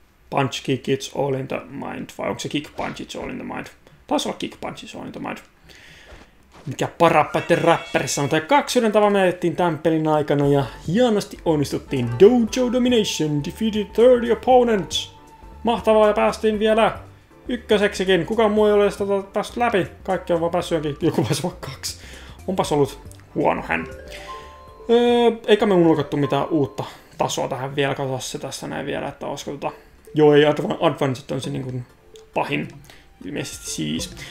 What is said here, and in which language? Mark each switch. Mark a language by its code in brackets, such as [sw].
[en] Punch, kick, it's all in the mind. [fi] Vai onko se [en] kick, punch, it's all in the mind? [fi] Taisi olla [en] kick, punch, it's all in the mind. [fi] Mikä parappaiden räppäri sanotaan. Kaksi yhden tavalla menetettiin tämän pelin aikana ja hienosti onnistuttiin. [en] Dojo Domination defeated 30 opponents. [fi] Mahtavaa ja päästiin vielä. Ykköseksikin. Kukaan muu ei ole sitä päässyt läpi. Kaikki on vaan päässyt jonkin. Joku pääsi vaikka kaksi. Onpas ollut huono hän. Eikä me unohdettu mitään uutta tasoa tähän vielä. Katsotaan se tässä näin vielä, että olisiko tota... Joo, ei Advanced on se niin kuin pahin. Ilmeisesti siis.